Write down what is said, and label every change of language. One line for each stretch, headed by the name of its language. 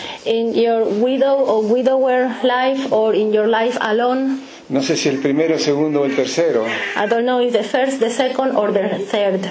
English: In your widow or widower life or in your life alone.
Spanish: No sé si el primero, segundo o el tercero.
English: I don't know if the first, the second or the third.